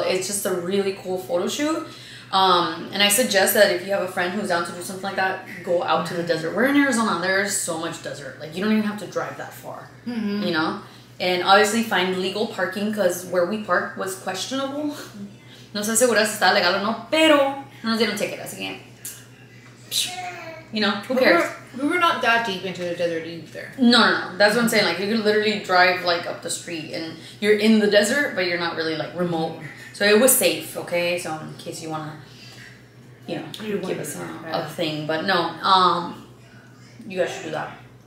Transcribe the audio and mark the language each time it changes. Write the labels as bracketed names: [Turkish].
[English] It's just a really cool photo shoot. And I suggest that if you have a friend who's down to do something like that, go out to the desert. We're in Arizona. There's so much desert. Like, you don't even have to drive that far. Mm-hmm. You know? And obviously find legal parking, because where we parked was questionable. [Spanish] No sé segura si está legal o no, pero no nos dieron ticket, así que... [English] You know, who cares? We were not that deep into the desert either. No. That's what I'm saying. Like, you could literally drive, like, up the street, and you're in the desert, but you're not really, like, remote. So it was safe, okay? So in case you want to, you know, you give us a thing. But no, you guys should do that.